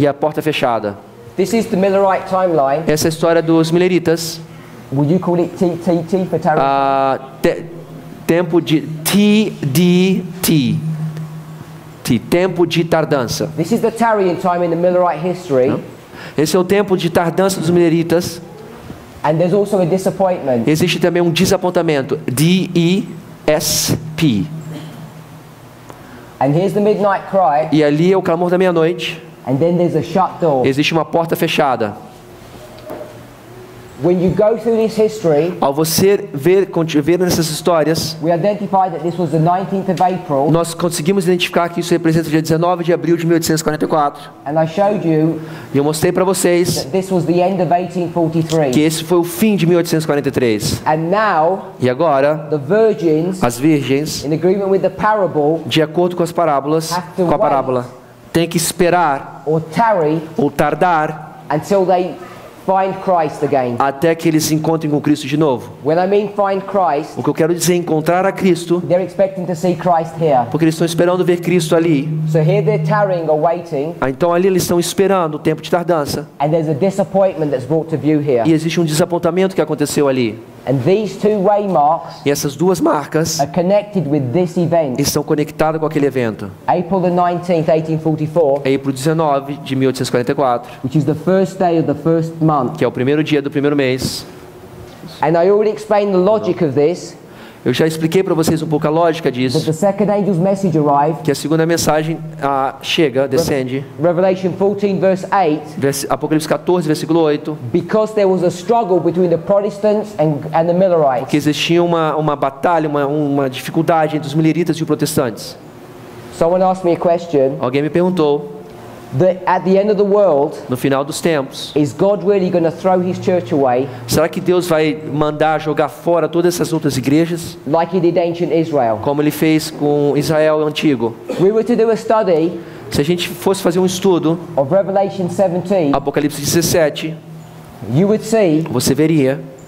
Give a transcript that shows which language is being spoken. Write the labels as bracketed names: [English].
[Portuguese] E a porta fechada. [English] This is the Millerite timeline. [Portuguese] Essa é a história dos Milleritas. [English] Would you call it TTT for tarrying? [Portuguese] Tempo de TDT. Tempo de tardança. [English] This is the tarrying time in the Millerite history. [Portuguese] Esse é o tempo de tardança dos Milleritas. [English] And there's also a disappointment. [Portuguese] Existe também um desapontamento. DESP. [English] And here's the midnight cry. [Portuguese] E ali é o clamor da meia-noite. [English] And then there's a shut door. [Portuguese] Existe uma porta fechada. [English] When you go through this history, [Portuguese] ao você ver nessas histórias, [English] we identified that this was the 19th of April, [Portuguese] nós conseguimos identificar que isso representa o dia 19 de abril de 1844. [English] And I showed you, [Portuguese] e eu mostrei para vocês [English] that this was the end of 1843. [Portuguese] Que esse foi o fim de 1843. [English] And now, [Portuguese] e agora, [English] the virgins, [Portuguese] as virgens, [English] in agreement with the parable, [Portuguese] de acordo com as parábolas, com a parábola, tem que esperar [English] or tarry, [Portuguese] ou tardar até eles [English] find Christ again. [Portuguese] Até que eles se encontrem com Cristo de novo. [English] When I mean find Christ, [Portuguese] o que eu quero dizer é encontrar a Cristo. [English] They're expecting to see Christ here. [Portuguese] Porque eles estão esperando ver Cristo ali. [English] So here they're tarrying or waiting, [Portuguese] então ali eles estão esperando o tempo de tardança. [English] And there's a disappointment that's brought to view here. [Portuguese] E existe um desapontamento que aconteceu ali. [English] And these two waymarks, [Portuguese] e essas duas marcas, [English] are connected with this event. [Portuguese] Estão conectadas com aquele evento. [English] April 19, 1844, which is the first day of the first month. [Portuguese] Que é o primeiro dia do primeiro mês. [English] And I already explained the logic of this. [Portuguese] Eu já expliquei para vocês um pouco a lógica disso. [English] That the second angel's message arrived, [Portuguese] que a segunda mensagem chega, descende. [English] Revelation 14, verse 8, [Portuguese] Apocalipse 14, versículo 8. [English] Because there was a struggle between the Protestants and the Millerites. [Portuguese] Porque existia uma batalha, uma dificuldade entre os Milleritas e os protestantes. [English] Someone asked me a question. [Portuguese] Alguém me perguntou. [English] That at the end of the world, [Portuguese] no final dos tempos, [English] is God really going to throw his church away? [Portuguese] Será que Deus vai mandar jogar fora todas essas outras igrejas? [English] Like he did ancient Israel. [Portuguese] Como ele fez com Israel antigo. [English] We were to do a study. [Portuguese] Se a gente fosse fazer um estudo [English] of Revelation 17, [Portuguese] Apocalipse 17, [English] you would see, [Portuguese] você veria,